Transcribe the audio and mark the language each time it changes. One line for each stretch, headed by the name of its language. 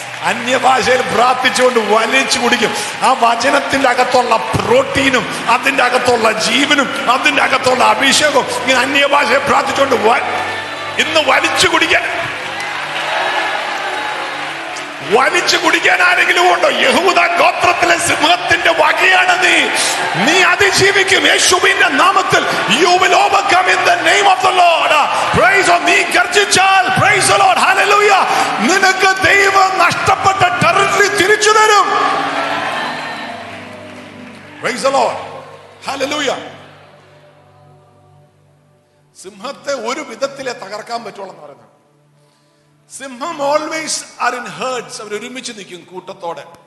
Malayalam: അന്യഭാഷയിൽ പ്രാർത്ഥിച്ചുകൊണ്ട് വലിച്ചു കുടിക്കും. ആ വചനത്തിന്റെ അകത്തുള്ള പ്രോട്ടീനും അതിന്റെ അകത്തുള്ള ജീവനും അതിന്റെ അകത്തുള്ള അഭിഷേകവും ഇങ്ങനെ അന്യഭാഷയെ പ്രാർത്ഥിച്ചുകൊണ്ട് ഇന്ന് വലിച്ചു കുടിക്കാൻ, വലിച്ചു കുടിക്കാൻ ആരെങ്കിലും ഉണ്ടോ? യഹൂദ ഗോത്രത്തിലെ സിംഹത്തിന്റെ വകയാണ് നീ. നീ അതിജീവിക്കും യേശുവിന്റെ നാമത്തിൽ.
English: You will overcome in the name of the Lord. Praise on
Malayalam: നീ ഗർജിച്ചാൽ,
English: praise the Lord, hallelujah,
Malayalam: നിനക്ക് ദൈവം നഷ്ടപ്പെട്ട ടെറിട്ടറി തിരിച്ചു തരും.
English: Praise the Lord, hallelujah.
Malayalam: സിംഹത്തെ ഒരു വിധത്തിലെ തകർക്കാൻ പറ്റുള്ളൂ എന്ന് പറയുന്നത്. സിംഹം
English: always are in herds,
Malayalam: അവരൊരുമിച്ച് നിൽക്കും കൂട്ടത്തോടെ.